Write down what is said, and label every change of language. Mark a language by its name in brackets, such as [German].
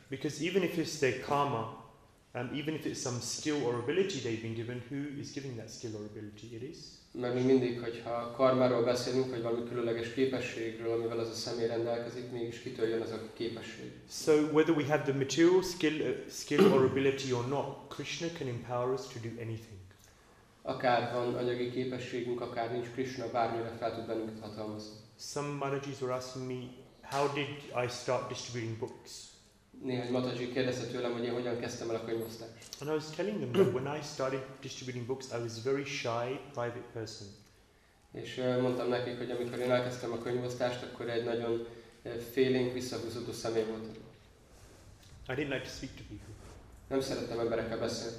[English] Because even if it's their karma, and even if it's some skill or ability they've been given, who is giving that skill or ability? It is. [Hungarian] Mert mi mindig, hogyha karmáról beszélünk, vagy valami különleges képességről, amivel az a személy rendelkezik, mégis kitől jön ez a képesség. [English] So whether we have the material skill or ability or not, Krishna can empower us to do anything. [Hungarian] Akár van anyagi képességünk, akár nincs, Krishna bármire fel tud bennünket hatalmazni. [English] Some Maharajis were asking me, How did I start distributing books? [Hungarian] Néhány matazsi kérdezte tőlem, hogy én hogyan kezdtem el a könyvosztást. [English] And I was telling them that when I started distributing books, I was a very shy, private person. [Hungarian] És mondtam nekik, hogy amikor én elkezdtem a könyvosztást, akkor egy nagyon félénk, visszahúzódó személy voltam. [English] I didn't like to speak to people. [Hungarian] Nem szerettem emberekkel beszélni.